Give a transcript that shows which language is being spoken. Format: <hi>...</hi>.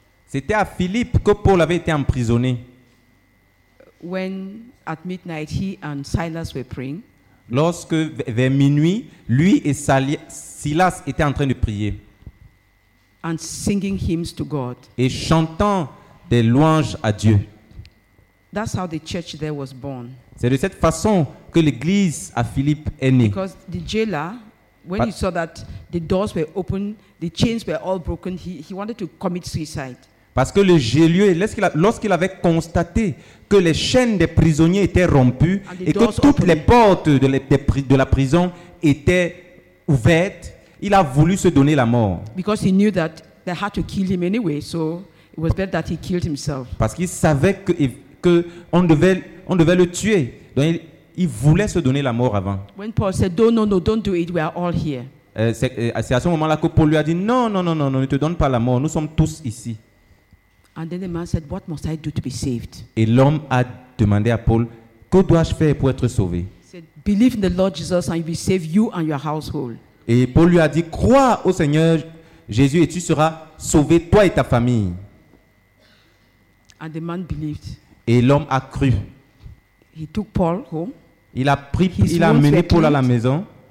<fr>C'était à Philippe que Paul avait été emprisonné.</fr> <en>When at midnight he and Silas were praying.</en> <fr>Lorsque vers minuit, lui et Silas étaient en train de prier.</fr> <en>And singing hymns to God.</en> <fr>Et chantant des louanges à Dieu.</fr> <en>That's how the church there was born.</en> <fr>C'est de cette façon que l'église à Philippe est née.</fr> <en>Because the jailer, when he saw that the doors were open, the chains were all broken, he wanted to commit suicide.</en> <fr>Parce que le geôlier, lorsqu'il avait constaté que les chaînes des prisonniers étaient rompues et que toutes les portes de la prison étaient ouvertes, il a voulu se donner la mort.</fr> <en>Because he knew that they had to kill him anyway, so it was better that he killed himself.</en> <fr>Parce qu'il savait que on devait le tuer. Donc il voulait se donner la mort avant.</fr> <en>When Paul said, no, don't do it, we are all here.</en> <fr>C'est à ce moment-là que Paul lui a dit, non, ne te donne pas la mort, nous sommes tous ici.</fr> <en>And then the man said, what must I do to be saved?</en> <fr>Et l'homme a demandé à Paul, que dois-je faire pour être sauvé?</fr> <en>He said, believe in the Lord Jesus and he will save you and your household.</en> <fr>Et Paul lui a dit, crois au Seigneur Jésus et tu seras sauvé, toi et ta famille.</fr> <en>And the man believed.</en> <fr>Et l'homme a cru.</fr> <en>He took Paul home.</en> <fr>Il a amené Paul à la maison.</fr>